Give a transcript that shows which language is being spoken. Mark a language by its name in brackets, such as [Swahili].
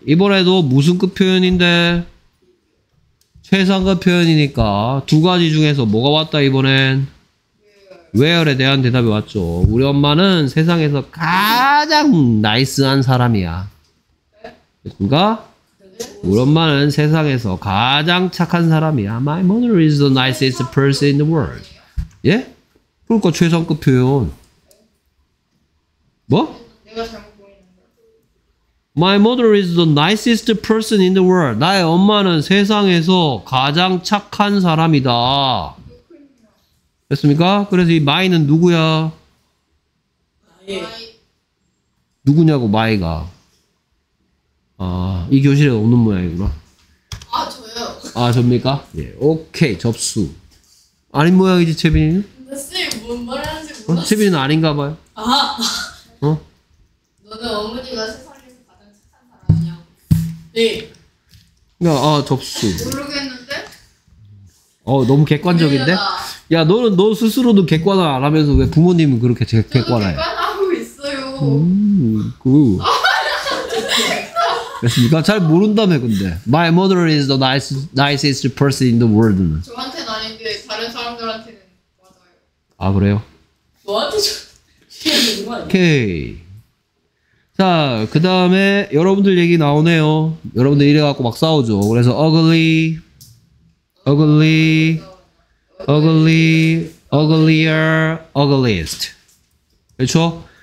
[Korean] 이번에도 무슨 급 표현인데? 최상급 표현이니까 두 가지 중에서 뭐가 왔다 이번엔? Where에 대한 대답이 왔죠. 우리 엄마는 세상에서 가장 나이스한 사람이야. 됐습니까? 우리 엄마는 세상에서 가장 착한 사람이야. [English] My mother is the nicest person in the world. [Korean] 예? 그러니까 최상급 표현. 뭐? 내가 잘못 보이는 거야. [English] My mother is the nicest person in the world. [Korean] 나의 엄마는 세상에서 가장 착한 사람이다. 됐습니까? 그래서 이 my는 누구야? [English] My. [Korean] 누구냐고 my가. 아, 이 교실에 없는 모양이구나. 아, 저요. 아, 접니까? 예, 오케이, 접수. 아닌 모양이지, 채빈이는? 근데 선생님, 뭔 말을 하는지 몰랐어. 채빈이는 아닌가 봐요. 아하. 어? 너는 어머니가 세상에서 가장 착한 사람이야. 네. 야, 아, 접수. 모르겠는데? 너무 객관적인데? 그래야. 야, 너는 너 스스로도 객관을 안 하면서 왜 부모님은 그렇게 객관해? 저도 객관하고 있어요. 됐습니까? 잘 모른다며 근데. [English] My mother is the nicest person in the world. [Korean] 저한테는 아닌데 다른 사람들한테는 맞아요. 아 그래요? 너한테 오케이. 자 그 다음에 여러분들 얘기 나오네요. 여러분들 이래갖고 막 싸우죠. 그래서 [English] ugly, uglier, ugliest. [Korean] 그렇죠?